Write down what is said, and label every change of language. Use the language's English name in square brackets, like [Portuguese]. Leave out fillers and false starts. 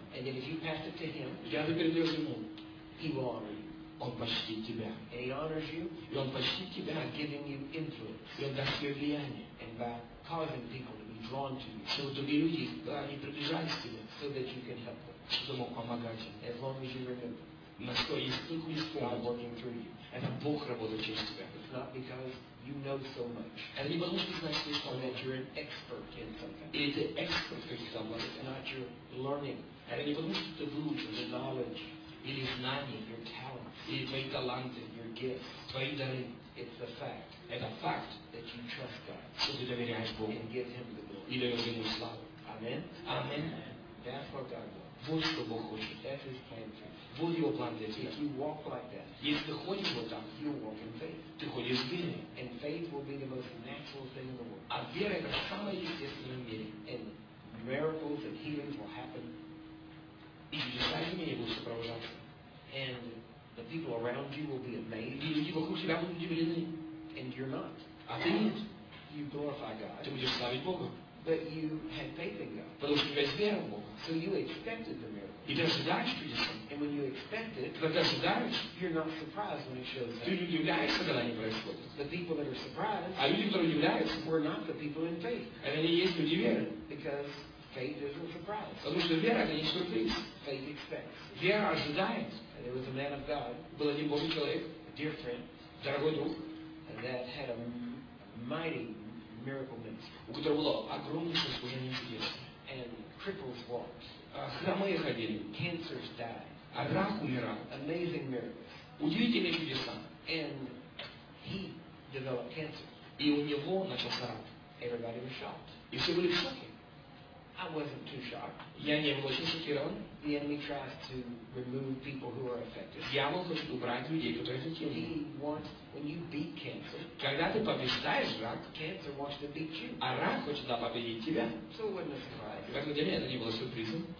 [English] And then if you pass it to him, [Russian] когда ты передаешь ему, [English] he will honor you. [Russian] Он почтит тебя. [English] And he honors you. [Russian] И он почтит тебя. [English] By giving you influence. [Russian] И он даст тебе влияние. [English] And by causing people to be drawn to you. [Russian] Чтобы другие люди, да, они приближались к тебе. [English] So that you can help them. [Russian] Чтобы мог помогать им. [English] As long as you remember. [Russian] На что есть только исполнить. Это Бог работает через тебя. [English] It's not because you know so much. [Russian] Это не потому, что ты знаешь слишком много. [English] Or that you're an expert in something. [Russian] Или ты эксперт в каких-то областях. [English] It's not your learning. [Russian] Это не потому, что ты выучил. [English] The knowledge. [Russian] Или знание. [English] Your talents. [Russian] Или твои таланты. [English] Your gifts. [Russian] Твои дары. [English] It's the fact. [Russian] Это факт. [English] That you trust God. [Russian] Что ты доверяешь Богу. [English] And give him the glory. [Russian] И даешь ему славу. [English] Amen. [Russian] Amen. [English] That's what God wants. [Russian] Вот что Бог хочет. [English] That's his plan. [Russian] Вот его план для тебя. [English] If you walk like that, [Russian] если ты ходишь вот так, [English] you'll walk in faith. [Russian] Ты ходишь в вере. [English] And faith will be the most natural thing in the world. [Russian] А вера это самое естественное в мире. [English] And miracles and healings will happen. [Russian] И чудеса и изменения будут сопровождаться. [English] And the people around you will be amazed. [Russian] И люди вокруг тебя будут удивлены. [English] And you're not. [Russian] А ты нет. [English] You glorify God. [Russian] Ты будешь славить Бога. [English] But you had faith in God. [Russian] Потому что у тебя есть вера в Бога. [English] So you expected the miracle. [Russian] И ты ожидаешь чудеса. [English] And when you expect it, [Russian] когда ты ожидаешь, [English] you're not surprised when it shows up. [Russian] Ты не удивляешься, когда они происходят. [English] The people that are surprised, [Russian] а люди, которые удивляются, [English] were not the people in faith. [Russian] Это не есть люди веры. [English] Because faith isn't surprised. [Russian] Потому что вера это не сюрприз. [English] Faith expects. [Russian] Вера ожидает. [English] And it was a man of God. [Russian] Был один Божий человек. [English] A dear friend. [Russian] Дорогой друг. [English] And that had a mighty miracle ministry. [Russian] У которого было огромное служение чудес. [English] And cripples walked. [Russian] Хромые ходили. [English] Cancers died. [Russian] А рак умирал. [English] Amazing miracles. [Russian] Удивительные чудеса. [English] And he developed cancer. [Russian] И у него начался рак. [English] Everybody was shocked. [Russian] И все были в шоке. [English] I wasn't too shocked. [Russian] Я не был очень шокирован. [English] The enemy tries to remove people who are affected. [Russian] Дьявол хочет убрать людей, которые [English] affected. He wants, when you beat cancer, [Russian] когда ты побеждаешь рак, [English] cancer wants to beat you. [Russian] А рак хочет победить тебя. [English] So it wasn't a surprise. [Russian] В этом деле это не было сюрпризом.